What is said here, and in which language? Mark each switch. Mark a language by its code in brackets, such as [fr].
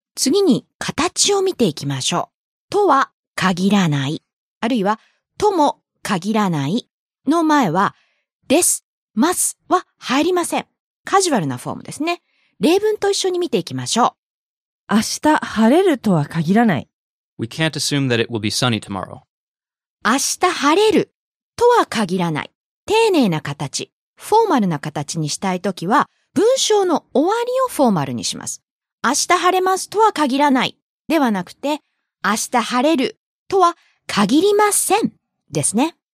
[ja] 次に形を見ていきましょう。とは限らない。あるいはとも限らない。の前は、です、ますは入りません。カジュアルなフォームですね。例文と一緒に見ていきましょう。明日晴れるとは限らない。 [en] We can't assume that it will be sunny tomorrow. [ja] 明日晴れるとは限らない。丁寧な形、フォーマルな形にしたいときは、文章の終わりをフォーマルにします。明日晴れますとは限らないではなくて明日晴れるとは限りませんですね。